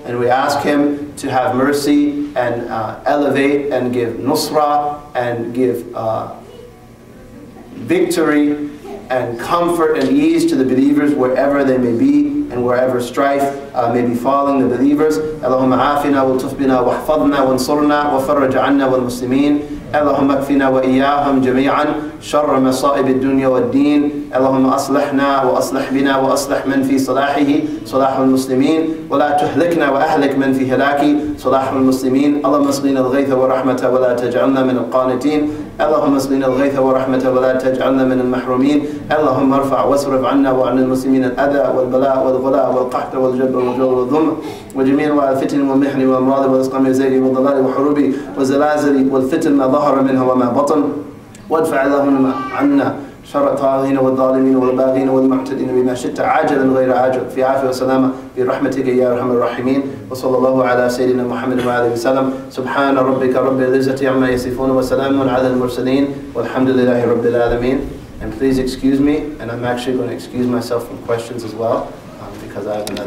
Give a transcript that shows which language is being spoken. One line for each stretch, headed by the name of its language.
English: And we ask him to have mercy and elevate and give nusra and give victory and comfort and ease to the believers wherever they may be and wherever strife may be falling the believers.
Arabic: Allahumma afina wa tufbina wa hafadna wa ansurna wa farraj anna wal muslimin. اللهم اكفنا وإياهم جميعا شر مصائب الدنيا والدين اللهم أصلحنا وأصلح بنا وأصلح من في صلاحه صلاح المسلمين ولا تهلكنا وأهلك من في هلاكي صلاح المسلمين اللهم اسقنا الغيث ورحمة ولا تجعلنا من القانتين اللهم اسقنا الغيث ورحمة ولا تجعلنا من المحرومين اللهم ارفع واصرف عنا وعن المسلمين الأذى والبلاء والغلاء والقحط والجبر والجور والظلم وجميع الفتن والمحن والأمراض والأسقام والزيغ والضلال والحروب والزلازل والفتن ظهر منها وما بطن وادفع اللهم عنا شر الطاغين والظالمين والباغين والمعتدين بما شئت عاجلا غير عاجل في عافية وسلامة برحمتك يا أرحم الراحمين وصلى الله على سيدنا محمد وعلى آله وسلم سبحان ربك رب العزة عما يصفون وسلام على المرسلين والحمد لله رب العالمين.
English: And please excuse me, and I'm actually going to excuse myself from questions as well because I have another